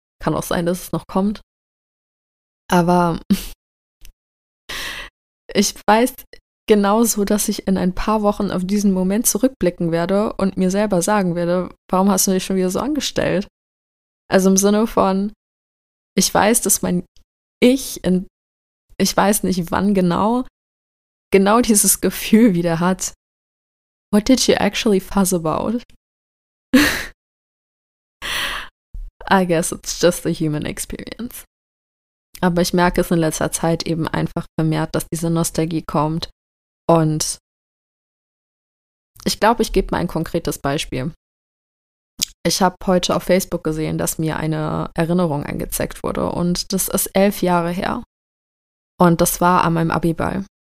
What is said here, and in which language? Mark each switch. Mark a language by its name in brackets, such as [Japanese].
[German] Kann auch sein, dass es noch kommt. Aber ich weiß genauso, dass ich in ein paar Wochen auf diesen Moment zurückblicken werde und mir selber sagen werde, warum hast du dich schon wieder so angestellt? Also im Sinne von, ich weiß, dass mein Ich, ich weiß nicht wann genau dieses Gefühl wieder hat. [English] What did you actually fuss about? I guess it's just the human experience. [German] Aber ich merke es in letzter Zeit eben einfach vermehrt, dass diese Nostalgie kommt. Und ich glaube, ich gebe mal ein konkretes Beispiel. Ich habe heute auf Facebook gesehen, dass mir eine Erinnerung angezeigt wurde. Und das ist 11 Jahre her. Und das war an meinem Abiball.